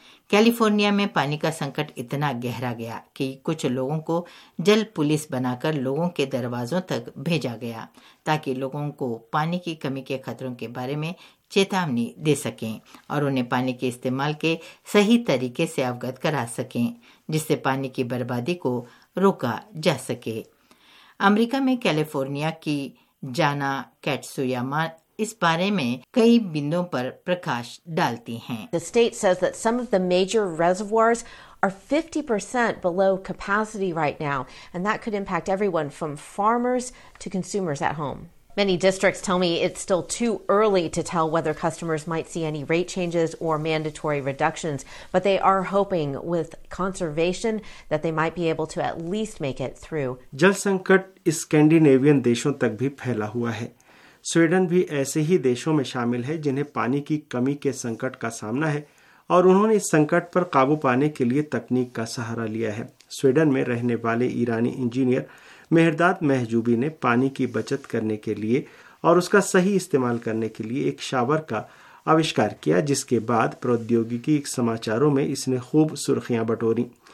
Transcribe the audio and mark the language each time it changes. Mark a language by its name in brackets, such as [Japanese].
[Hindi] California में पानी का संकट इतना गहरा गया कि कुछ लोगों को जल पुलिस बनाकर लोगों के दरवाजों तक भेजा गया ताकि लोगों को पानी की कमी के खतरों के बारे में चेतावनी दे सकें और उन्हें पानी के इस्तेमाल के सही तरीके से अवगत करा सकें जिससे पानी की बर्बादी को रोका जा सके। अमेरिका में कैलिफोर्निया की जाना कैट्सुयामा इस बारे में कई बिंदुओं पर प्रकाश डालती हैं। [English] The state says that some of the major reservoirs are 50% below capacity right now, and that could impact everyone from farmers to consumers at home. Many districts tell me it's still too early to tell whether customers might see any rate changes or mandatory reductions, but they are hoping with conservation that they might be able to at least make it through. [Hindi] जल संकट Scandinavian देशों तक भी फैला हुआ है। Sweden भी ऐसे ही देशों में शामिल है जिन्हें पानी की कमी के संकट का सामना है और उन्होंने इस संकट पर काबू पाने के लिए तकनीक का सहारा लिया है। स्वीडन में रहने वाले ईरानी इंजीनियर मेहरदाद महजूबी ने पानी की बचत करने के लिए और उसका सही इस्तेमाल करने के लिए एक शावर का आविष्कार किया, जिसके बाद प्रौद्योगिकी समाचारों में इसने खूब सुर्खियां बटोरी।